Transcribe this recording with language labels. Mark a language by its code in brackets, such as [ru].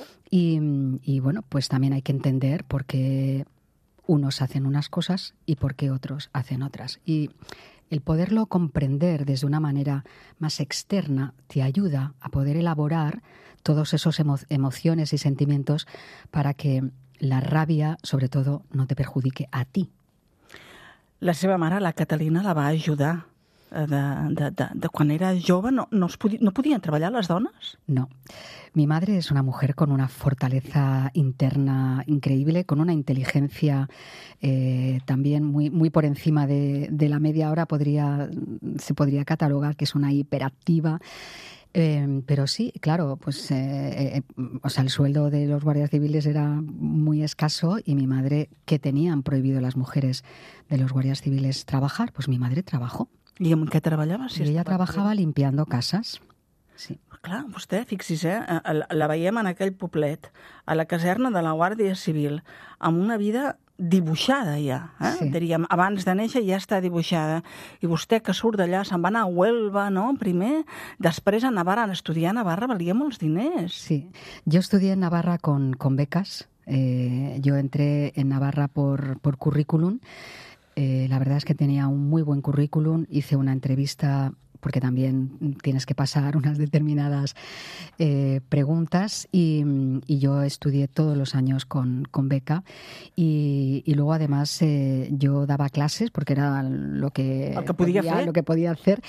[es] Y bueno, pues también hay que entender por qué unos hacen unas cosas y por qué otros hacen otras. Y el poderlo comprender desde una manera más externa te ayuda a poder elaborar todos esos emociones y sentimientos para que la rabia, sobre todo, no te perjudique a ti. [ca] La seva mare, la Catalina, la va ajudar. De quan era jove no podien treballar les dones? No. [es] Mi madre es una mujer con una fortaleza interna increíble, con una inteligencia también muy, muy por encima de la media. Ahora se podría catalogar que es una hiperactiva. Pero sí, claro, pues el sueldo de los guardias civiles era muy escaso y mi madre, que tenían prohibido las mujeres de los guardias civiles trabajar, pues mi madre trabajó. ¿Y en qué treballava? Si ella trabajava limpiando cases. Sí. [ca] Clar, vostè, fixi's, la veiem en aquell poblet, a la caserna de la Guàrdia Civil, amb una vida dibuixada ja, sí. Diríem, abans de néixer ja està dibuixada. I vostè que surt d'allà, se'n va anar a Huelva, no?, primer, després a Navarra, estudiar a Navarra valia molts diners. [es] Sí, jo estudié a Navarra con becas. Jo entré en Navarra por currículum. La verdad es que tenía un muy buen currículum, hice una entrevista porque también tienes que pasar unas determinadas preguntas y yo estudié todos los años con beca y luego además yo daba clases porque era lo que podía hacer.